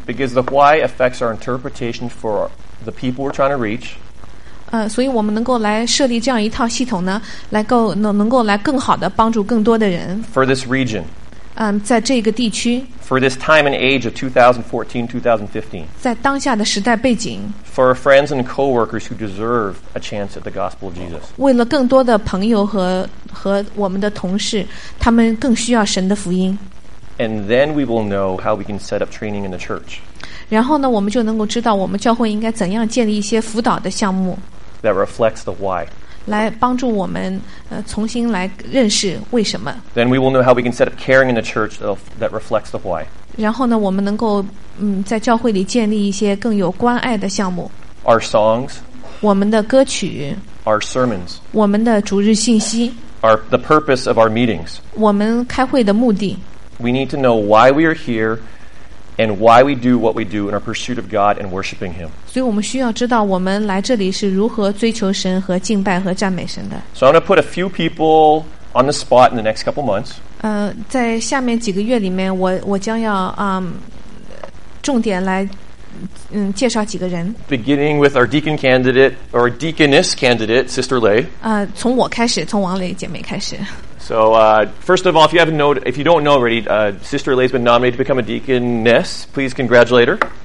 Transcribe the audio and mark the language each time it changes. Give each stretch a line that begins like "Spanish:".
English: Because the why affects our interpretation for the people we're trying to reach.
Chinese: 所以我们能够来设立这样一套系统呢，能够来更好的帮助更多的人。
English: For this region.
Chinese: 在这个地区
English: for this time and age of 2014-2015
Chinese: 在当下的时代背景
English: for our friends and co-workers who deserve a chance at the gospel of Jesus
Chinese: 为了更多的朋友 和我们的同事，他们更需要神的福音。
English: And then we will know how we can set up training in the church
Chinese: 然后呢，我们就能够知道我们教会应该怎样建立一些辅导的项目
English: that reflects the why
Chinese: 来帮助我们重新来认识为什么。
English: Then we will know how we can set up caring in the church that reflects the why.
Chinese: 然后呢，我们能够在教会里建立一些更有关爱的项目。
English: Our songs.
Chinese: 我们的歌曲。
English: Our sermons.
Chinese: 我们的主日信息。
English: The purpose of our meetings.
Chinese: 我们开会的目的。
English: We need to know why we are here. And why we do what we do in our pursuit of God and worshiping Him.
Chinese: 所以我们需要知道我们来这里是如何追求神和敬拜和赞美神的。
English: So I'm going to put a few people on the spot in the next couple months.
Chinese: 在下面几个月里面，我将要重点来介绍几个人。
English: Beginning with our deacon candidate or deaconess candidate, Sister Lei.
Chinese: 从我开始，从王蕾姐妹开始。
English: So, first of all, if you don't know already, Sister Lei has been nominated to become a deaconess. Please congratulate her.